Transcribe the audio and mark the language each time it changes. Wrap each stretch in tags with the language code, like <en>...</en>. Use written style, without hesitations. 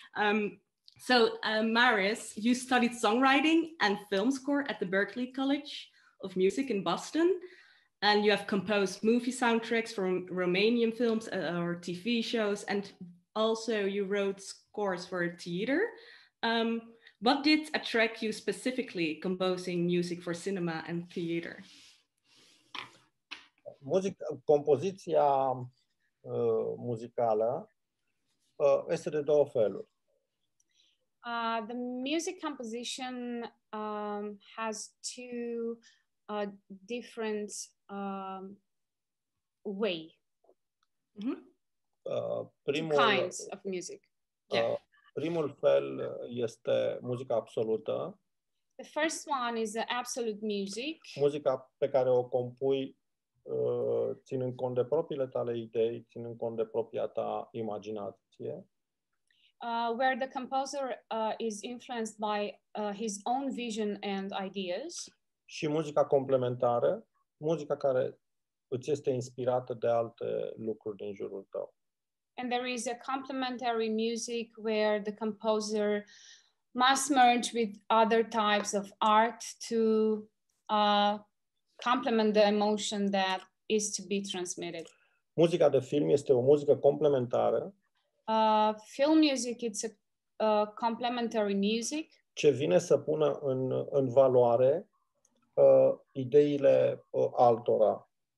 <en>Marius, you studied songwriting and film score at the Berklee College of Music in Boston, and you have composed movie soundtracks for Romanian films or TV shows, and also you wrote scores for theater. What did attract you specifically composing music for cinema and theater?</en> <ro>Compoziția muzicală este de două feluri.</ro> <en>The music composition has two different way.</en> <ro>Primul,</ro> <en>two kinds of music.</en> <ro>Primul fel este muzica absolută.</ro> <en>The first one is the absolute music.</en> <ro>Muzica pe care o compui ținând cont de propriile tale idei, ținând cont de propria ta imaginație.</ro> <en>Where the composer is influenced by his own vision and ideas.</en> <ro>Și muzica complementară, muzica care îți este inspirată de alte lucruri din jurul tău.</ro> <en>And there is a complementary music where the composer must merge with other types of art to complement the emotion that is to be transmitted.</en> <ro>Muzica de film este o muzică complementară.</ro> <en>Film music, it's a complementary music.</en> <ro>Ce vine să pună în valoare ideile altora.</ro>